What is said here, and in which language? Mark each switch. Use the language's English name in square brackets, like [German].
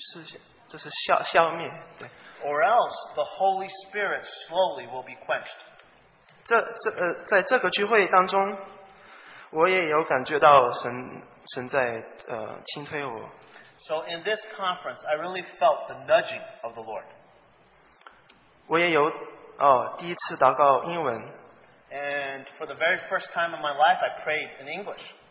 [Chinese] 否则，圣灵就慢慢会失去，就是消灭。对。 [English] Or else the Holy Spirit slowly will be quenched. [Chinese] 在这个聚会当中。我也有感觉到神在轻推我。 [English] So in this conference, I really felt the nudging of the Lord. [Chinese] 我也有第一次祷告英文。 [English] And for the very first time in my life, I prayed in English.